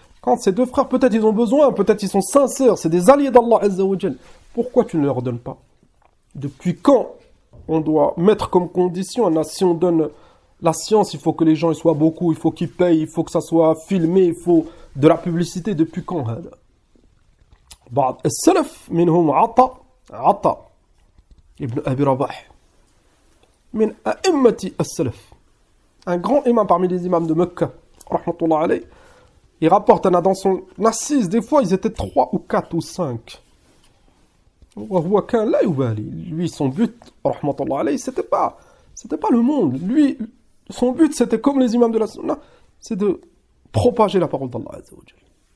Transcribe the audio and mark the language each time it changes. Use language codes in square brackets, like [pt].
[fr] Quand ces deux frères, peut-être ils ont besoin, peut-être ils sont sincères, c'est des alliés d'Allah Azza wa Jal. Pourquoi tu ne leur donnes pas? Depuis quand on doit mettre comme condition, si on donne... La science, il faut que les gens y soient beaucoup, il faut qu'ils payent, il faut que ça soit filmé, il faut de la publicité. Depuis quand hein? [ar] بعض السلف منهم عطاء عطاء ابن أبي رباح من أئمة السلف. [fr] Un grand imam parmi les imams de Mecca, rahmatullah alayh, il rapporte un dans son assise, des fois ils étaient 3 ou 4 ou 5. [ar] وهو كان لا يبالي. [fr] Lui, son but, rahmatullah alayh, c'était pas le monde. Lui, son but, c'était comme les imams de la Sunna, c'est de propager la parole d'Allah Azza wa Jalla.